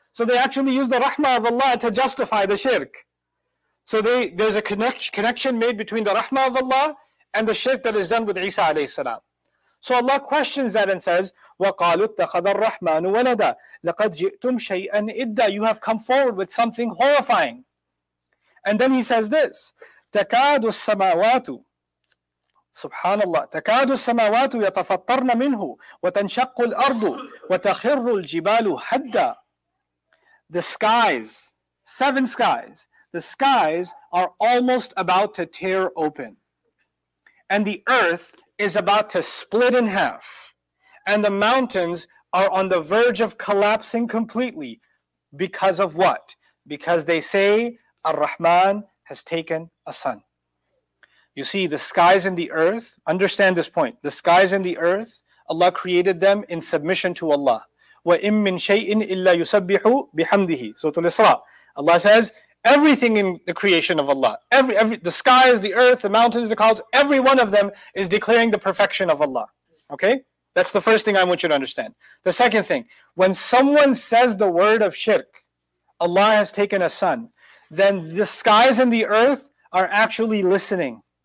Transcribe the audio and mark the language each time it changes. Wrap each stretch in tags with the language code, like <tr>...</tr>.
<en>So they actually use the rahmah of Allah to justify the shirk. So there's a connection made between the rahmah of Allah and the shirk that is done with Isa alayhi salam. So Allah questions that and says,</en> <ar>وَقَالُوا اتَّخَذَ الرَّحْمَنُ وَلَدًا. لَقَدْ جِئْتُمْ شَيْئًا إِدَّا.</ar> <en>You have come forward with something horrifying. And then he says this,</en> <ar>تَكَادُ السَّمَاوَاتُ. Subhanallah. تَكَادُ السَّمَاوَاتُ يَتَفَطَّرْنَ مِنْهُ وَتَنْشَقُّ الْأَرْضُ وَتَخِرُّ الْجِبَالُ هَدَّا.</ar> <en>The skies, seven skies, the skies are almost about to tear open, and the earth is about to split in half, and the mountains are on the verge of collapsing completely. Because of what? Because they say Ar-Rahman has taken a son. You see, the skies and the earth, understand this point, the skies and the earth, Allah created them in submission to Allah.</en> <ar>وَإِن مِّن شَيْءٍ إِلَّا يُسَبِّحُ بِحَمْدِهِ Suratul Isra.</ar> <en>Allah says, everything in the creation of Allah, every the skies, the earth, the mountains, the clouds, every one of them is declaring the perfection of Allah. Okay? That's the first thing I want you to understand. The second thing, when someone says the word of shirk, Allah has taken a son, then the skies and the earth are actually listening.</en>